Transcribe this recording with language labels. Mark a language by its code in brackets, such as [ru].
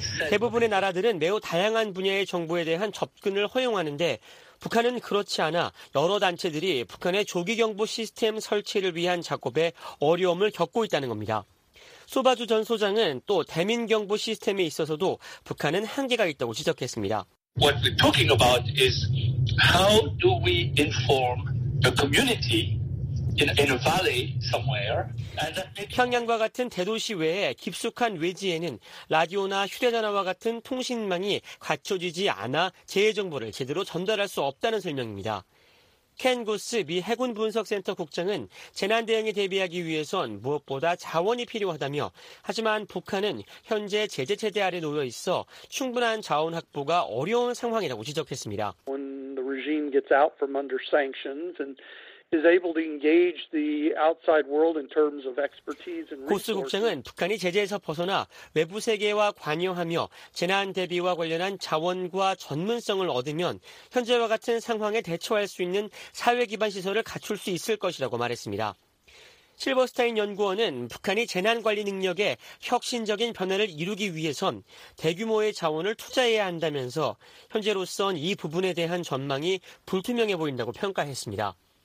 [ko] 대부분의 나라들은 매우 다양한 분야의 정보에 대한 접근을 허용하는데 북한은 그렇지 않아 여러 단체들이 북한의 조기경보 시스템 설치를 위한 작업에 어려움을 겪고 있다는 겁니다. 소바주 전 소장은 또 대민경보 시스템에 있어서도 북한은 한계가 있다고 지적했습니다. [en] What we're talking about is how do we inform the community in a valley somewhere? [ko] 평양과 같은 대도시 외에 깊숙한 외지에는 라디오나 휴대전화와 같은 통신망이 갖춰지지 않아 재해 정보를 제대로 전달할 수 없다는 설명입니다. 켄 구스 미 해군분석센터 국장은 재난대응에 대비하기 위해선 무엇보다 자원이 필요하다며 하지만 북한은 현재 제재체제 아래 놓여 있어 충분한 자원 확보가 어려운 상황이라고 지적했습니다. [en] When the regime gets out from under sanctions and is able to engage the outside world in terms of expertise and resources. [ko] 고스 국장은 북한이 제재에서 벗어나 외부 세계와 관여하며 재난 대비와 관련한 자원과 전문성을 얻으면 현재와 같은 상황에 대처할 수 있는 사회 기반 시설을 갖출 수 있을 것이라고 말했습니다. 실버스타인 연구원은 북한이 재난관리 능력에 혁신적인 변화를 이루기 위해선 대규모의 자원을 투자해야 한다면서 현재로선 이 부분에 대한 전망이 불투명해 보인다고 평가했습니다.